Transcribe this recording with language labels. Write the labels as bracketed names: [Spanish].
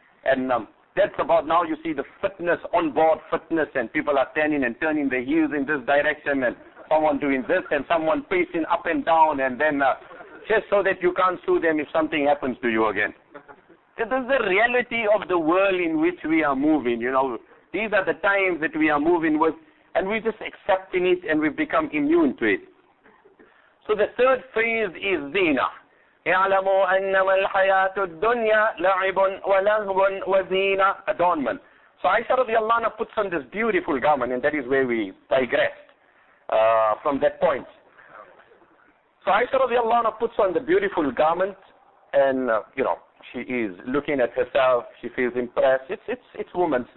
[English] And that's about now you see the fitness, onboard fitness, and people are turning and turning their heels in this direction and someone doing this and someone pacing up and down and then just so that you can't sue them if something happens to you again. This is the reality of the world in which we are moving, you know. These are the times that we are moving with, and we're just accepting it and we've become immune to it. So the third phrase is zina. [Arabic] يَعْلَمُوا أَنَّمَا الْحَيَاةُ الدُّنْيَا لَعِبٌ وَلَهْوٌ وَزِينَةٌ adornment. [English] So Aisha radiallahu anha puts on this beautiful garment, and that is where we digressed from that point. So Aisha radiallahu anha puts on the beautiful garment, and you know, she is looking at herself, she feels impressed. It's women.